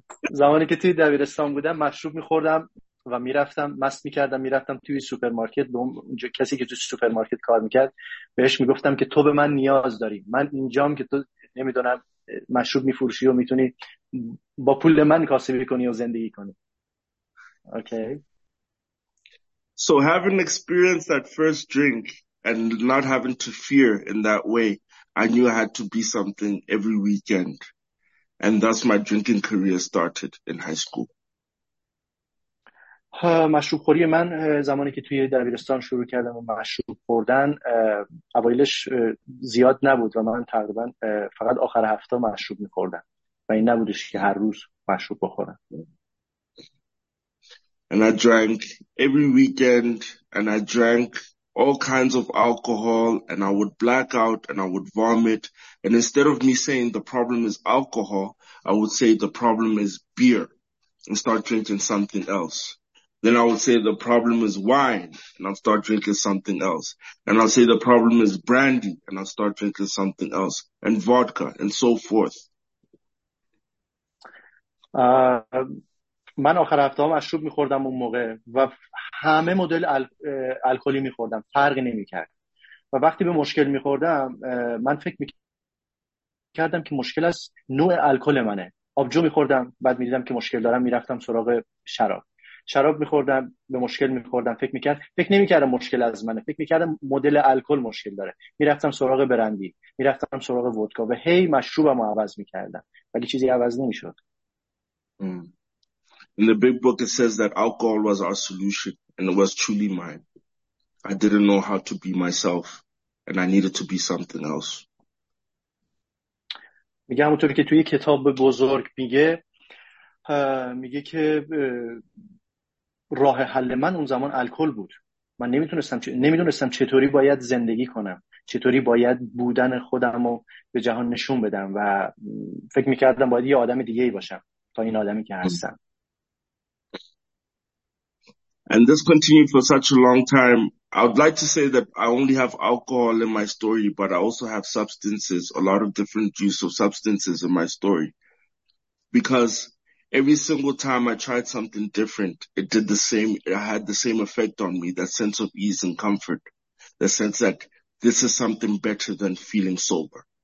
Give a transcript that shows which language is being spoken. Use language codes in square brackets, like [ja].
[fa] زمانی که توی دبیرستان بودم مشروب می‌خوردم و میرفتم مست میکردم میرفتم توی سوپرمارکت به اونجا کسی که توی سوپرمارکت کار میکرد بهش میگفتم که تو به من نیاز داری، من اینجام که تو نمیدونم مشروب میفروشی و میتونی با پول من کاسبی کنی و زندگی کنی. [en] Okay. So having experienced that first drink and not having to fear in that way, I knew I had to be something every weekend. And thus my drinking career started in high school. [fa] مشروب خوری من زمانی که توی دبیرستان شروع کردم و مشروب خوردن اوایلش زیاد نبود و من تقریبا فقط آخر هفته مشروب می‌خوردم و این نبودش که هر روز مشروب بخورم. [en] And I drank every weekend and I drank all kinds of alcohol and I would black out and I would vomit. And instead of me saying the problem is alcohol, I would say the problem is beer and start drinking something else. Then I would say the problem is wine and I'll start drinking something else. And I'll say the problem is brandy and I'll start drinking something else and vodka and so forth. [fa] من آخر هفته ها مشروب میخوردم اون موقع و همه مدل الکلی میخوردم، فرق نمی کرد. و وقتی به مشکل میخوردم من فکر میکردم که مشکل از نوع الکل منه. آبجو میخوردم، بعد میدیدم که مشکل دارم، میرفتم سراغ شراب. شراب میخوردم، به مشکل میخوردم، فکر نمیکردم مشکل از منه، فکر میکردم مدل الکل مشکل داره. میرفتم سراغ برندی، میرفتم سراغ ودکا و هی مشروبم رو عوض میکردم ولی چیزی عوض نمیشد. [en] In the big book, it says that alcohol was our solution, and it was truly mine. I didn't know how to be myself, and I needed to be something else. [fa] میگه همونطوری که توی کتاب بزرگ میگه، میگه که راه حل من اون زمان الکل بود. من نمیدونستم چطوری باید زندگی کنم، چطوری باید بودن خودم رو به جهان نشون بدم و فکر میکردم باید یه آدم دیگه باشم تا این آدمی که هستم. [en] And this continued for such a long time. I would like to say that I only have alcohol in my story, but I also have substances, a lot of different use of substances in my story. Because every single time I tried something different, it did the same, it had the same effect on me, that sense of ease and comfort, the sense that this is something better than feeling sober.